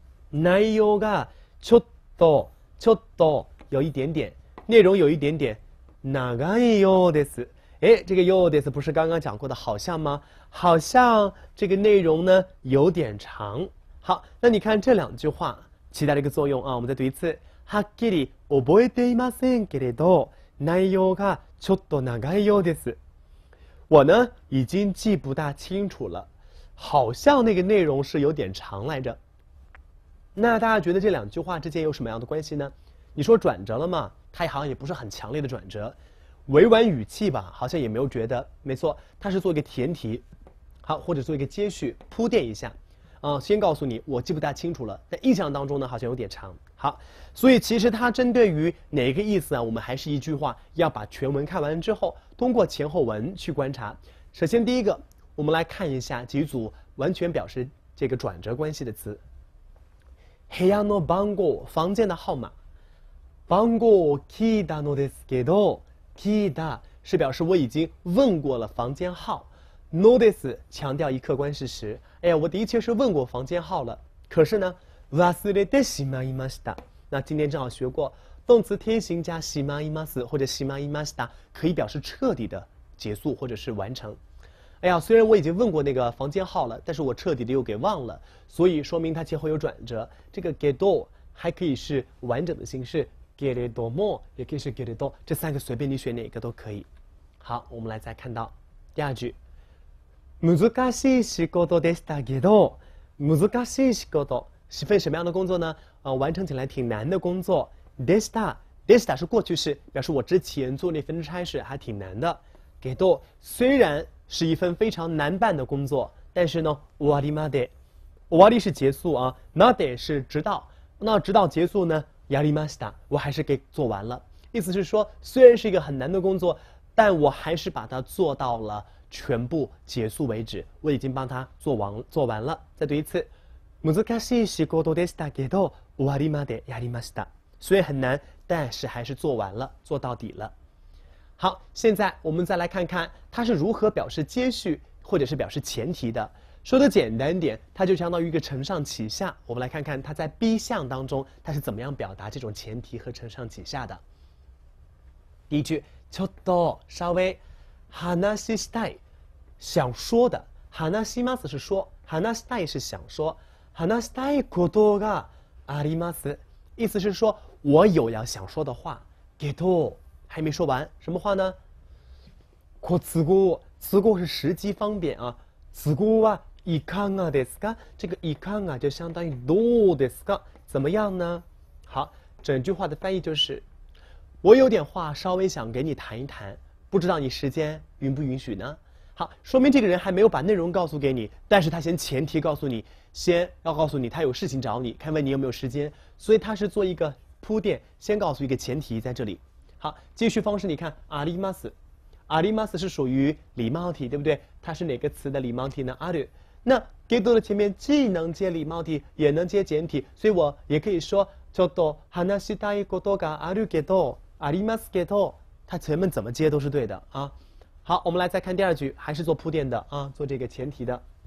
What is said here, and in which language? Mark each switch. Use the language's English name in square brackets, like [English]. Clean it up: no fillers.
[Japanese] 内容がちょっとちょっと [Chinese] 有一点点，内容有一点点。 [Japanese] 長いようです。 [Chinese] 哎，这个ようです不是刚刚讲过的好像吗？好像这个内容呢有点长。好，那你看这两句话起到了一个作用啊，我们再读一次。 [Japanese] はっきり覚えていませんけれど、内容がちょっと長いようです。 [Chinese] 我呢已经记不大清楚了，好像那个内容是有点长来着。那大家觉得这两句话之间有什么样的关系呢？你说转折了吗？它好像也不是很强烈的转折。委婉语气吧，好像也没有觉得，没错，它是做一个前提，好，或者做一个接续铺垫一下，啊，先告诉你我记不大清楚了，但印象当中呢好像有点长。好，所以其实它针对于哪个意思啊，我们还是一句话，要把全文看完之后通过前后文去观察。首先第一个，我们来看一下几组完全表示这个转折关系的词。 [Japanese] 部屋の番号， [Chinese] 房间的号码。 [Japanese] 番号を聞いたのですけど， [Chinese] 聞いた是表示我已经问过了房间号。 [Japanese] のです [Chinese] 强调一客观事实。哎呀，我的确是问过房间号了。可是呢， [Japanese] 忘れてしまいました。 [Chinese] 那今天正好学过动词天形加しまいます或者しまいました，可以表示彻底的结束或者是完成。哎呀，虽然我已经问过那个房间号了，但是我彻底的又给忘了，所以说明它前后有转折。这个けど还可以是完整的形式。けれども也可以是けれど，这三个随便你选哪个都可以。好，我们来再看到第二句。 [Japanese] 難しい仕事でしたけど，難しい仕事 [Chinese] 是份什么样的工作呢？完成起来挺难的工作。 [Japanese] でした， [Chinese] でした是过去式，表示我之前做那份差事还挺难的。 [Japanese] けど [Chinese] 虽然是一份非常难办的工作，但是呢， [Japanese] 終わりまで， [Chinese] 終わり是结束啊，まで是直到，那直到结束呢？ [Japanese] やりました， [Chinese] 我还是给做完了。意思是说，虽然是一个很难的工作，但我还是把它做到了全部结束为止。我已经帮它做完了。再读一次， [Japanese] 難しい仕事でしたけど、終わりまでやりました。 [Chinese] 虽然很难，但是还是做完了，做到底了。好，现在我们再来看看它是如何表示接续或者是表示前提的。说的简单点，它就相当于一个承上启下。我们来看看它在 B 项当中它是怎么样表达这种前提和承上启下的。第一句， [Japanese] ちょっと [Chinese] 稍微， [Japanese] 話したい， [Chinese] 想说的，話します是说，話したい是想说， [Japanese] 話したいことがあります， [Chinese] 意思是说我有要想说的话。 [Japanese] けど [Chinese] 还没说完，什么话呢？ [Japanese] こ都合，都合 [Chinese] 是时机方便啊。 [Japanese] 都合はいかがですか？ [Chinese] 这个いかが就相当于どうですか？怎么样呢？好，整句话的翻译就是：我有点话稍微想给你谈一谈，不知道你时间允不允许呢？好，说明这个人还没有把内容告诉给你，但是他先前提告诉你，先要告诉你他有事情找你，看问你有没有时间，所以他是做一个铺垫，先告诉一个前提在这里。好，继续方式，你看あります。あります是属于礼貌体，对不对？它是哪个词的礼貌体呢？ある。那给到了前面既能接礼貌体，也能接简体，所以我也可以说 [Japanese] ちょっと話したいことがあるけど、ありますけど， [Chinese] 它前面怎么接都是对的啊。好，我们来再看第二句，还是做铺垫的啊，做这个前提的。